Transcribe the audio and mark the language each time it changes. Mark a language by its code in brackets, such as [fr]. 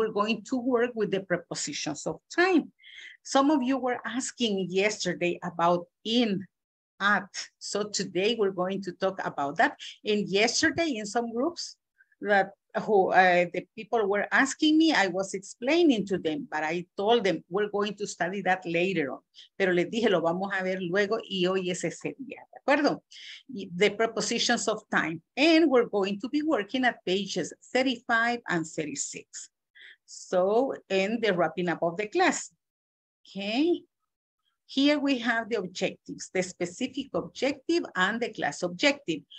[en] We're going to work with the prepositions of time. Some of you were asking yesterday about in, at. So today we're going to talk about that. And yesterday in some groups that the people were asking me, I was explaining to them, but I told them we're going to study that later on. [es] Pero les dije, lo vamos a ver luego y hoy es ese día, ¿de acuerdo? [en] The prepositions of time. And we're going to be working at pages 35 and 36. So, and the wrapping up of the class, okay? Here we have the objectives, the specific objective and the class objective.